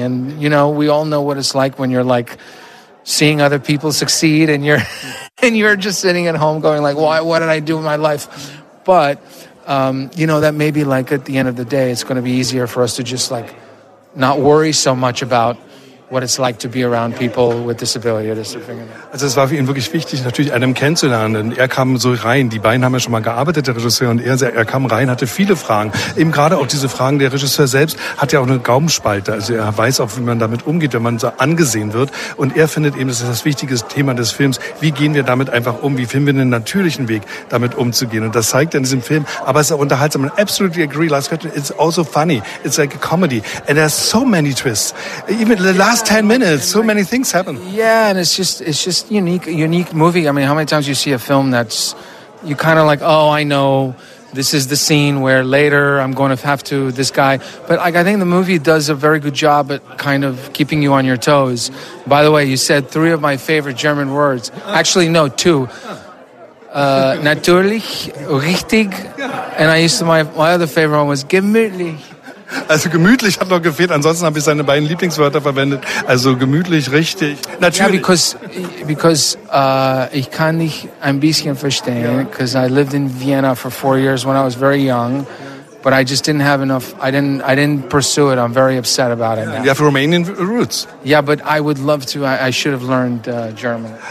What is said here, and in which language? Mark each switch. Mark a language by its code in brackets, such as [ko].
[en] And, you know, we all know what it's like when you're like seeing other people succeed and you're just sitting at home going like, why, what did I do with my life? But, you know, that maybe like at the end of the day, it's going to be easier for us to just like not worry so much about what it's like to be around people with disability. [de] Also es war für ihn wirklich wichtig, natürlich Adam kennenzulernen. Und er kam so rein, die beiden haben ja schon mal gearbeitet, der Regisseur, und er kam rein, hatte viele Fragen. Eben gerade auch diese Fragen, der Regisseur selbst hat ja auch eine Gaumenspalte. Also er weiß auch, wie man damit umgeht, wenn man so angesehen wird. Und er findet eben, das ist das wichtige Thema des Films, wie gehen wir damit einfach um, wie finden wir einen natürlichen Weg, damit umzugehen. Und das zeigt er in diesem Film, aber es ist auch unterhaltsam. [en] I absolutely agree, Last Question, it's also funny, it's like a comedy. And there's so many twists. Even the last 10 minutes, so many things happen. Yeah, and it's just unique movie. I mean, how many times you see a film that's, you kind of like, oh, I know this is the scene where later I'm going to have to, this guy. But like, I think the movie does a very good job at kind of keeping you on your toes. By the way, you said three of my favorite German words. Actually, no, two. [de] Natürlich, richtig, [en] and I used to, my other favorite one was gemütlich. [de] Also gemütlich hat noch gefehlt, ansonsten habe ich seine beiden Lieblingswörter verwendet. Also gemütlich, richtig, natürlich. [en] Yeah, because [de] ich kann dich ein bisschen verstehen, [en] because I lived in Vienna for 4 years when I was very young, but I just didn't have enough, I didn't pursue it, I'm very upset about it. You have Romanian roots. Yeah, but I would love to, I should have learned German.